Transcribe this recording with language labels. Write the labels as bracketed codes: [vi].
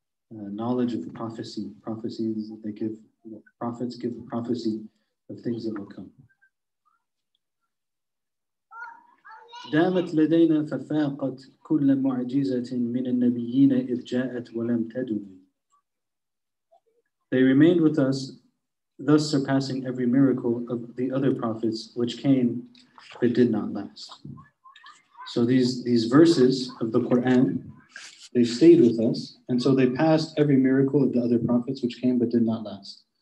[en] Knowledge of prophecy. Prophecies that they give, prophets give prophecy of things that will come. [ar] دامت لدينا ففاقت كل معجزة من النبيين إذ جاءت ولم تدري. [en] They remained with us, thus surpassing every miracle of the other prophets which came but did not last. So these verses of the Quran, they stayed with us, and so they passed every miracle of the other prophets which came but did not last.